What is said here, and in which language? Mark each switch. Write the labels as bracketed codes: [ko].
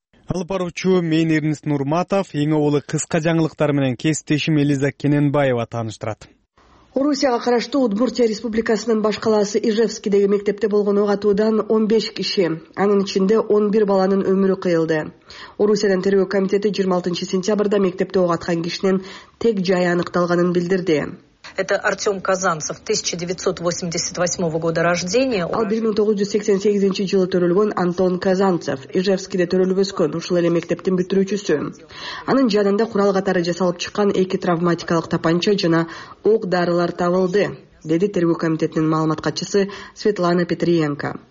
[ky] Алып баруучу мен Эрнис Нурматов, эң оолу кыска жаңылыктар менен кесиптешим Элиза Кененбаева тааныштырат. Орусияга караштуу Удмуртия Республикасынын баш калаасы Ижевскийдеги мектепте болгон ок атуудан 15 киши, анын ичинде 11 баланын өмүрү кыйылды. Орусиянын тергөө комитети 26 сентябрда мектепте ок аткан кишинин тек жайы аныкталганын билдирди. [ru] Это Артём Казанцев, 1988 года рождения. [ky] Ал 1988 жылы төрөлгөн Антон Казанцев, Ижевскийде төрөлүп өскөн, ушул эле мектептин бүтүрүүчүсү. Анын жанында курал катары жасалып чыккан эки травматикалык тапанча жана ок дарылар табылды, деди тергөө комитетинин маалымат катчысы Светлана Петриенко.